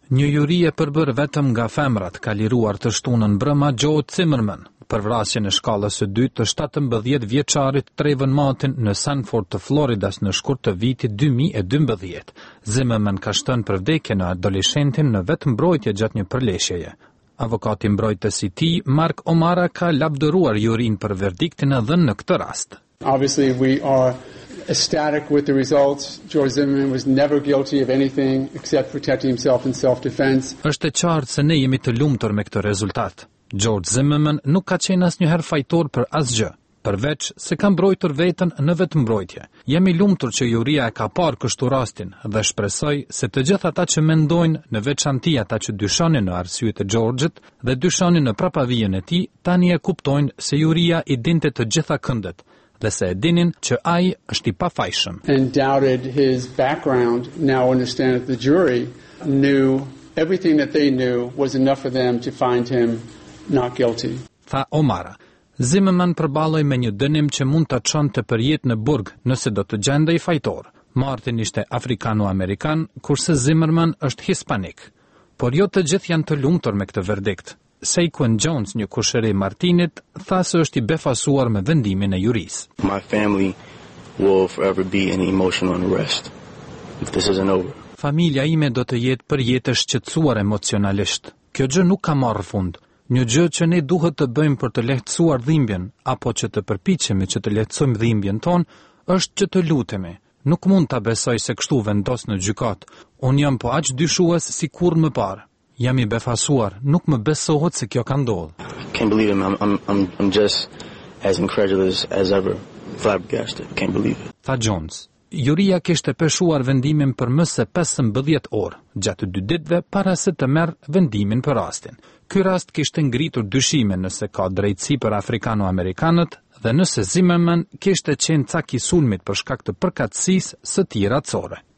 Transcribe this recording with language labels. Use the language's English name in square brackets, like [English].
[Albanian] Një juri e përbër vetëm nga femrat ka liruar të shtunën brëma Joe Zimmerman për vrasjen e shkallës së dytë të 17 vjeçarit Trayvon Martin në Sanford të Floridas në shkurt të vitit 2012. Zimmerman ka shtënë për vdekje në adoleshentin në vetë mbrojtje gjatë një përleshjeje. Avokati mbrojtës i tij, Mark Omara, ka lavdëruar jurin për verdiktin e dhënë në këtë rast. [English] Obviously we are ecstatic with the results. George Zimmerman was never guilty of anything except protecting himself in self-defense. [Albanian] Është qartë se ne jemi të lumtur me këtë rezultat. George Zimmerman nuk ka qenë asnjëherë fajtor për asgjë, përveç se ka mbrojtur veten në vetëmbrojtje. Jemi lumtur që juria e ka parë kështu rastin dhe shpresoj se të gjithë ata që mendojnë, në veçanti ata që dyshonin në arsyet e Georgjit dhe dyshonin në prapavijën e tij, tani e kuptojnë se juria i dinte të gjitha këndet dhe se e dinin që ai është i pafajshëm. [English] And doubted his background, now understand that the jury knew everything that they knew was enough for them to find him not guilty. [Albanian] Tha Omara. Zimmerman përballoi me një dënim që mund ta çonte për jetë në burg nëse do të gjendej fajtor. Martin ishte afrikano-amerikan, kurse Zimmerman është hispanik. Por jo të gjithë janë të lumtur me këtë verdikt. Saquon Jones, një kushëri i Martinit, tha se është i befasuar me vendimin e jurisë. [English] My family will forever be in emotional unrest if this isn't over. [Albanian] Familja ime do të jetë përjetë shqetësuar emocionalisht. Kjo gjë nuk ka marrë fund. Një gjë që ne duhet të bëjmë për të lehtësuar dhimbjen, apo që të përpiqemi që të lehtësojmë dhimbjen tonë, është që të lutemi. Nuk mund të besoj se kështu vendos në gjykat. Unë jam po aq dyshues si kur më parë. Jam i befasuar, nuk më besohet se kjo ka ndodhë. [English] I can't believe it, I'm just as incredulous as ever. Flabbergasted, can't believe it. [Albanian] Tha Jones. Juria kishte peshuar vendimin për më se 15 orë, gjatë dy ditëve para se të merë vendimin për rastin. Ky rast kishte ngritur dyshime nëse ka drejtësi për afrikano-amerikanët dhe nëse Zimmerman kishte qenë cak i sulmit për shkak të përkatësisë së tij racore.